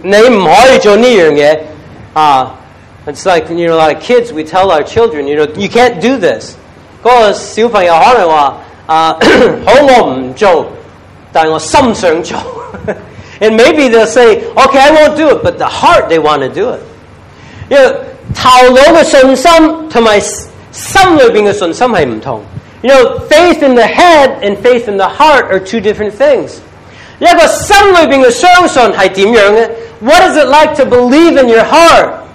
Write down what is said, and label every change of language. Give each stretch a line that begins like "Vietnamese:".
Cantonese: 很多小朋友都是这样，即是父母说，喂，你不可以做这件事。
English: It's like, you know, a lot of kids, we tell our children, you know, you can't do this.
Cantonese: 那个小朋友可能说，好，我不做，但我心想做。
English: And maybe they'll say, okay, I won't do it, but the heart, they want to do it.
Cantonese: You know, 头脑的信心和心里面的信心是不同。
English: You know, faith in the head and faith in the heart are two different things.
Cantonese: 一个心里面的相信是怎样的?
English: What is it like to believe in your heart?